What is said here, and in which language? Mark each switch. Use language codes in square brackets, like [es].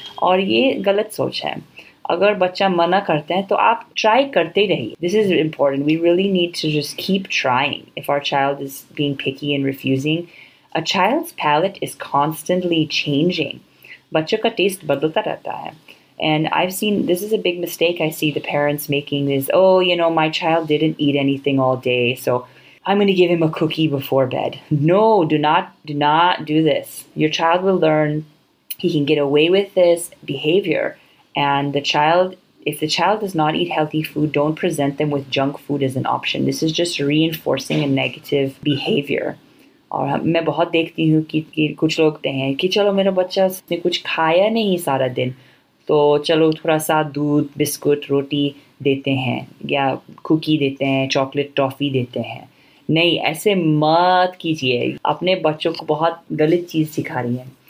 [hi] और ये गलत सोच है. अगर बच्चा मना करते हैं तो आप ट्राई करते रहिए. [en] This is important. We really need to just keep trying. If our child is being picky and refusing, a child's palate is constantly changing. [hi] बच्चों का टेस्ट बदलता रहता है. [en] And I've seen, this is a big mistake I see the parents making, is, oh, you know, my child didn't eat anything all day, so I'm going to give him a cookie before bed. No, do not do this. Your child will learn he can get away with this behavior. And if the child does not eat healthy food, don't present them with junk food as an option. This is just reinforcing a negative behavior. [hi] और मैं बहुत देखती हूँ कि कुछ लोग कहते हैं कि चलो मेरा बच्चा उसने कुछ खाया नहीं सारा दिन, तो चलो थोड़ा सा दूध, बिस्कुट, रोटी देते हैं या कुकी देते हैं, चॉकलेट, टॉफ़ी देते हैं. नहीं, ऐसे मत कीजिए. अपने बच्चों को बहुत गलत चीज़ सिखा रही हैं.